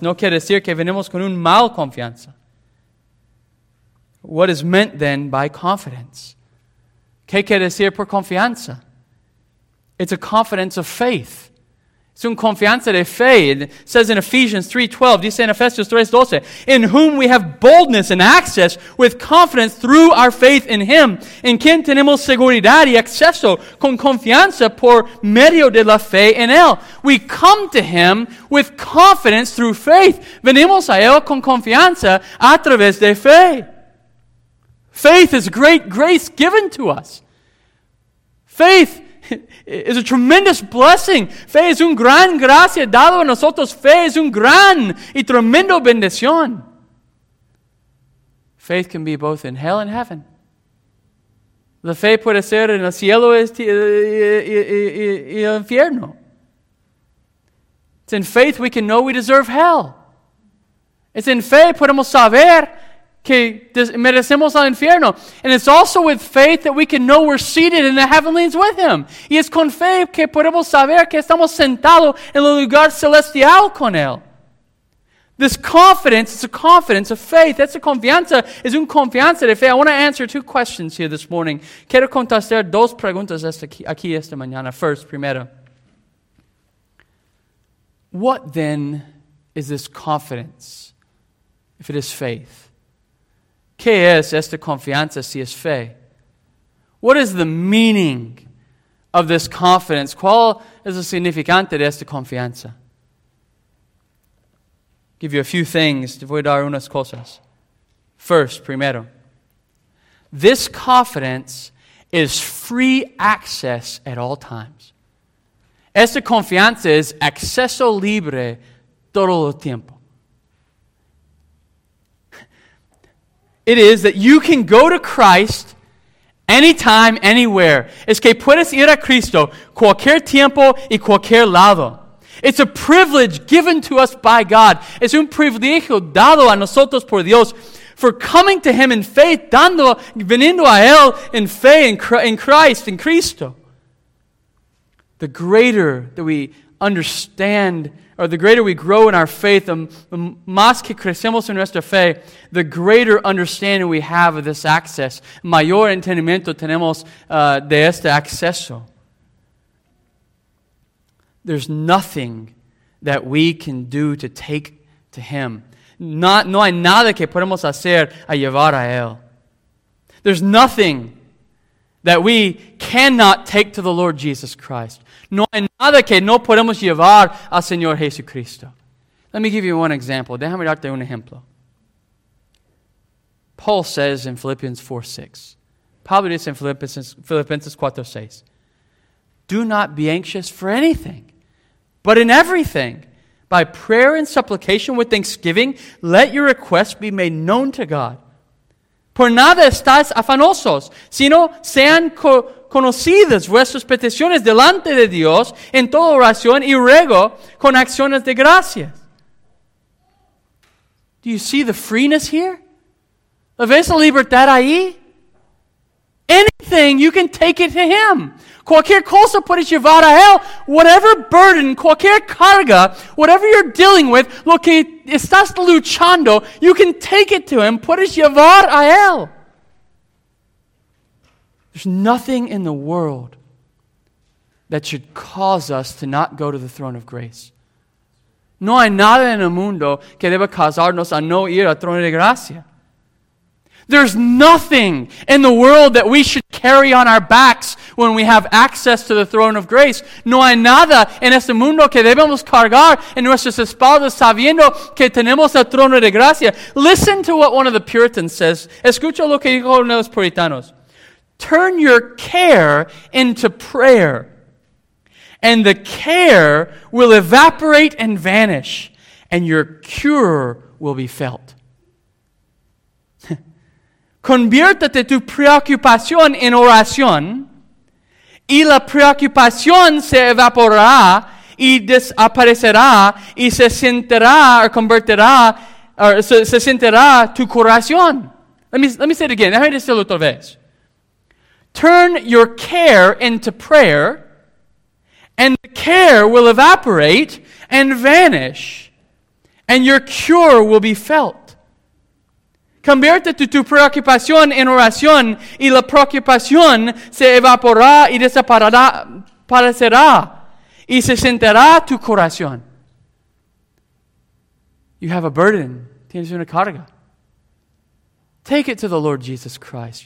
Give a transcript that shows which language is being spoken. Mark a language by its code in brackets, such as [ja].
[es] No quiere decir que venimos con un mal confianza. [en] What is meant then by confidence? [es] ¿Qué quiere decir por confianza? [en] It's a confidence of faith. [es] Es una confianza de fe. [en] It says in Ephesians 3:12, [es] dice en Efesios 3:12, [en] in whom we have boldness and access with confidence through our faith in Him. [es] En quien tenemos seguridad y acceso con confianza por medio de la fe en Él. [en] We come to Him with confidence through faith. [es] Venimos a Él con confianza a través de fe. [en] Faith is great grace given to us. Faith is a tremendous blessing. [es] Fe es un gran gracia dado a nosotros. Fe es un gran y tremendo bendición. [en] Faith can be both in hell and heaven. [es] La fe puede ser en el cielo y el infierno. [en] It's in faith we can know we deserve hell. It's in [es] fe podemos saber que merecemos al infierno. [en] And it's also with faith that we can know we're seated in the heavenlies with Him. [es] Y es con fe que podemos saber que estamos sentados en el lugar celestial con Él. [en] This confidence, it's a confidence of faith. That's a [es] confianza, es un confianza de fe. [en] I want to answer two questions here this morning. [es] Quiero contestar dos preguntas aquí esta mañana. [en] First, [es] primero. [en] What then is this confidence if it is faith? [es] ¿Qué es esta confianza si es fe? [en] What is the meaning of this confidence? [es] ¿Cuál es el significante de esta confianza? [en] Give you a few things. [es] Te voy a dar unas cosas. [en] First, [es] primero. [en] This confidence is free access at all times. [es] Esta confianza es acceso libre todo el tiempo. [en] It is that you can go to Christ anytime, anywhere. [es] Es que puedes ir a Cristo cualquier tiempo y cualquier lado. [en] It's a privilege given to us by God. [es] Es un privilegio dado a nosotros por Dios [en] for coming to Him in faith, [es] viniendo a Él en fe en Christ, en Cristo. [en] The greater that we understand or the greater we grow in our faith, the [es] más que crecemos en nuestra fe, [en] the greater understanding we have of this access, [es] mayor entendimiento tenemos de este acceso. [en] There's nothing that we can do to take to Him. [es] No hay nada que podemos hacer a llevar a Él. [en] There's nothing that we cannot take to the Lord Jesus Christ. [es] No hay nada que no podemos llevar al Señor Jesucristo. [en] Let me give you one example. [es] Déjame darte un ejemplo. [en] Paul says in Philippians 4:6. [es] Pablo dice en Filipenses 4:6. [en] Do not be anxious for anything, but in everything, by prayer and supplication with thanksgiving, let your requests be made known to God. [es] Por nada estáis afanosos, sino sean conocidas vuestras peticiones delante de Dios en toda oración y ruego con acciones de gracias. [en] Do you see the freeness here? [es] ¿La ves la libertad ahí? [en] Anything, you can take it to Him. [es] Cualquier cosa puedes llevar a Él. [en] Whatever burden, [es] cualquier carga, [en] whatever you're dealing with, [es] lo que estás luchando, [en] you can take it to Him. [es] Puedes llevar a Él. [en] There's nothing in the world that should cause us to not go to the throne of grace. [es] No hay nada en el mundo que deba causarnos a no ir al trono de gracia. [en] There's nothing in the world that we should carry on our backs when we have access to the throne of grace. [es] No hay nada en este mundo que debemos cargar en nuestras espaldas sabiendo que tenemos el trono de gracia. [en] Listen to what one of the Puritans says. [es] Escucha lo que dijo uno de los puritanos. [en] Turn your care into prayer, and the care will evaporate and vanish, and your cure will be felt. [es] Conviértete tu preocupación en oración y la preocupación se evaporará y desaparecerá y se sentirá o convertirá or se sentará tu corazón. [en] Let me say it again. [es] Déjame decirlo otra vez. [en] Turn your care into prayer, and the care will evaporate and vanish, and your cure will be felt. [es] Convierte tu preocupación en oración, y la preocupación se evaporará y desaparecerá, y se sentará tu corazón. [en] You have a burden. [es] Tienes una carga. [en] Take it to the Lord Jesus Christ.